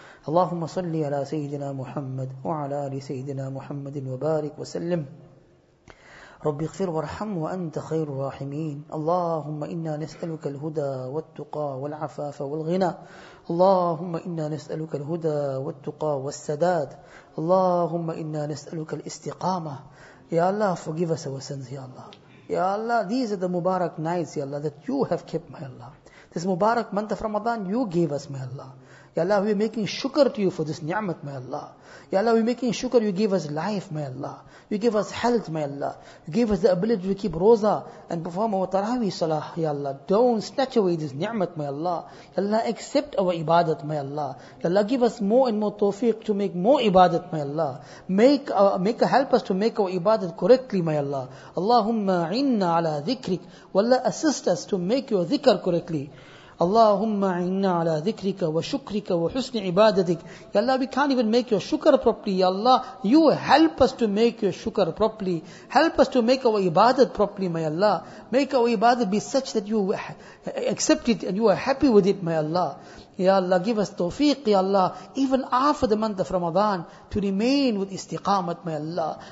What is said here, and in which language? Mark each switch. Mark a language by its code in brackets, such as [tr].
[ar] اللهم صل على سيدنا محمد وعلى آل سيدنا محمد وبارك وسلم. رب اغفر وارحم وأنت خير الراحمين. اللهم إنا نسألك الهدى والتقى والعفاف والغنى. اللهم إنا نسألك الهدى والتقى والسداد. اللهم إنا نسألك الاستقامة. [en] يا الله forgive us our sins, يا الله. يا الله, these are the Mubarak nights, يا الله, that you have kept, my Allah. This Mubarak month of Ramadan you gave us, my Allah. Ya Allah, we are making shukr to you for this ni'mat, my Allah. Ya Allah, we are making shukr, you gave us life, my Allah. You gave us health, my Allah. You gave us the ability to keep roza and perform our tarawih salah, ya Allah. Don't snatch away this ni'mat, my Allah. Ya Allah, accept our ibadat, my Allah. Ya Allah, give us more and more tawfiq to make more ibadat, my Allah. Make help us to make our ibadat correctly, my Allah. [ar] Allahumma inna ala dhikrik. [en] Wallah, assist us to make your dhikr correctly. [ar] اللهم عنا على ذكرك وشكرك وحسن عبادتك. [en] يا الله, we can't even make your shukr properly. يا الله, you help us to make your shukr properly. Help us to make our ibadat properly, my Allah. Make our ibadat be such that you accept it and you are happy with it, my Allah. يا الله, give us tawfiq, يا الله, even after the month of Ramadan to remain with istiqamat, my Allah.